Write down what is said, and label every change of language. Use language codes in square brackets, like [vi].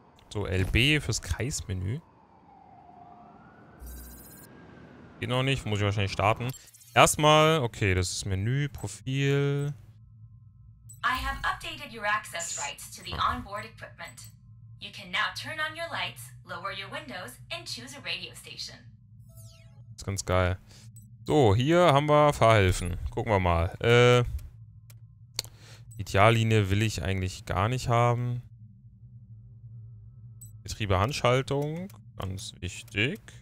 [de] So, LB fürs Kreismenü. Geht noch nicht, muss ich wahrscheinlich starten. Erstmal, okay, das ist Menü, Profil. [en] I have updated your access rights to the onboard equipment. You can now turn on your lights, lower your windows and choose a radio station. [de] Ist ganz geil. So, hier haben wir Fahrhilfen. Gucken wir mal. Ideallinie will ich eigentlich gar nicht haben. Betriebehandschaltung, ganz wichtig.